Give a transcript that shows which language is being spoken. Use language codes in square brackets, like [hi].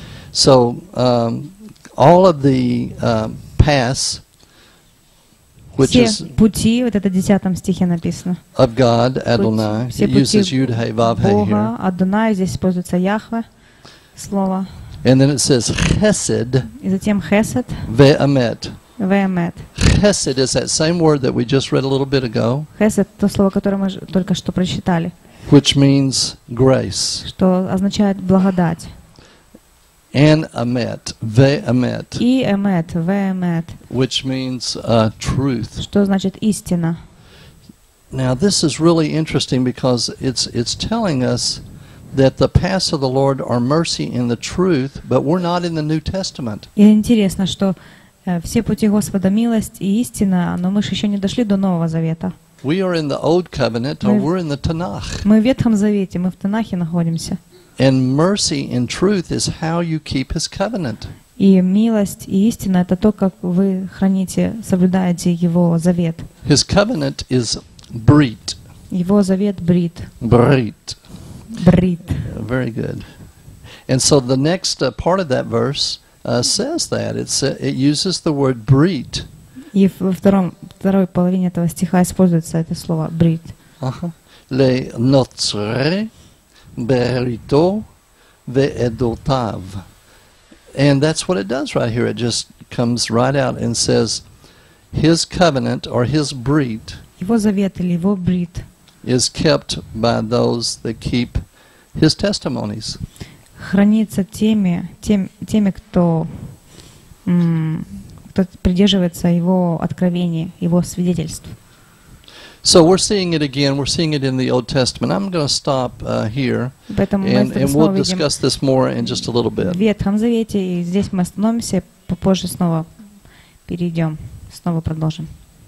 [en] So all of the paths, which [ru] is пути, вот это в 10 стихе написано. [en] Of God Adonai, [ru] пути, [en] uses Yud Hey Vav Hey here. [ru] Adonai, здесь используется Яхве слово. [en] And then it says chesed. [ru] И затем chesed. [he] Ve'emet. Ve'emet. [en] Chesed is that same word that we just read a little bit ago. [ru] Chesed — то слово, которое мы только что прочитали. [en] Which means grace. [ru] Что означает благодать. [he] And amet, ve amet. И amet, ve amet. [en] Which means truth. [ru] Что значит истина? [en] Now this is really interesting because it's telling us that the paths of the Lord are mercy and the truth, but we're not in the New Testament. [ru] И интересно, что все пути Господа милость и истина, но мы еще не дошли до Нового Завета. [en] We are in the Old Covenant, or we're in the Tanakh. [ru] Мы в Ветхом Завете, мы в Танахе находимся. [en] And mercy and truth is how you keep His covenant. [ru] И милость и истина это то, как вы храните, соблюдаете Его завет. [en] His covenant is brit. [ru] Его завет брит. Брит. Брит. [en] Very good. And so the next part of that verse says that it uses the word brit. [ru] И во второй половине этого стиха используется это слово брит. [he] Le notre Berito ve'edotav, [en] and that's what it does right here. It just comes right out and says, "His covenant or His brit." [ru] Его завет или его брит. [en] Is kept by those that keep His testimonies. [ru] Хранится теми, кто кто придерживается Его откровений, Его свидетельств. [en] So we're seeing it again. We're seeing it in the Old Testament. I'm going to stop here, and we'll discuss this more in just a little bit. [ru] В Ветхом Завете, и здесь мы остановимся, попозже снова перейдем, снова продолжим.